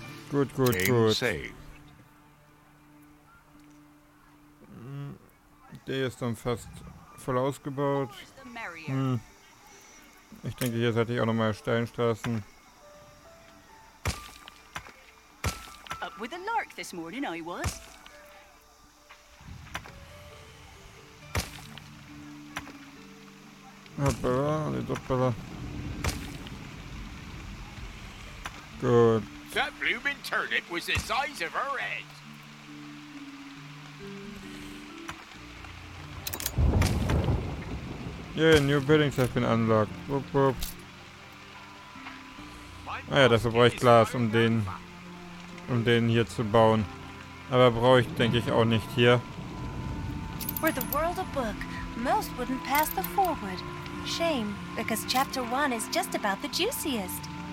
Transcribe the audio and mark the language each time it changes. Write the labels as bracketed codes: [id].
[de] Gut, gut, gut. Der ist dann fast voll ausgebaut. Ich denke, hier sollte ich auch nochmal Steinstraßen. [en] Up with a lark this morning, I was. [de] Hoppala, die Doppala. Gut. [en] That blooming turnip was the size of her head. Yeah, new buildings have been unlocked. Whoop, whoop. [de] Ah ja, dafür brauche ich Glas, um den hier zu bauen. Aber brauche ich, denke ich, auch nicht hier. [en] Were the world a book, most wouldn't pass the forward. Shame, because chapter one is just about the juiciest.